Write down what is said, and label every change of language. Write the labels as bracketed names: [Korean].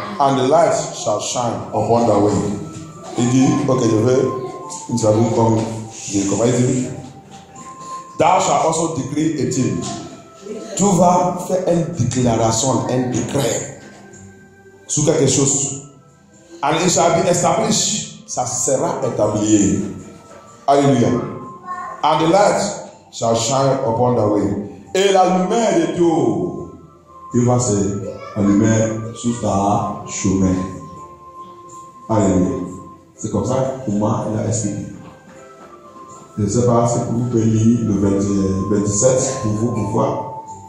[English] And the light shall shine upon the way. [French] Il dit, ok, je vais traduire comme il dit. [English] Thou shalt also decree a thing. [French] Tu vas faire une déclaration, un décret sur quelque chose. [English] And it shall be established. [French] Ça sera établi. Alléluia. [English] And the light shall shine upon the way. [French] Et la lumière de Dieu, il va se allumer sur ta chemin. Alléluia. C'est comme ça pour moi, il a expliqué. Je ne sais pas si vous pouvez lire le 27 pour vous, pourquoi.